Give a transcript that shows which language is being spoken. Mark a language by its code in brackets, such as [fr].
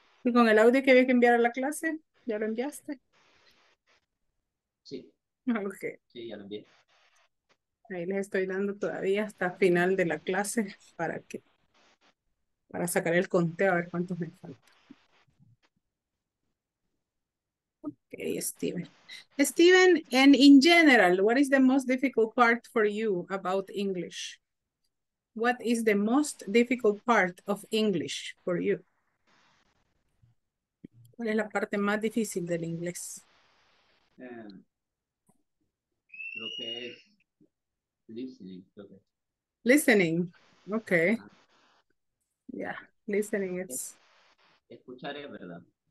[es] ¿Y con el audio que había que enviar a la clase? ¿Ya lo enviaste? Sí. Ok. Sí, ya lo envié. Ahí les estoy dando todavía hasta final de la clase para que para sacar el conteo a ver cuántos me faltan. Ok, Steven. [en] Steven, and in general, what is the most difficult part for you about English? What is the most difficult part of English for you? [es] ¿Cuál es la parte más difícil del inglés? Creo que es listening, creo que es. [en] Listening, okay, ya, yeah. Listening es, [es] Escuchar es verdad.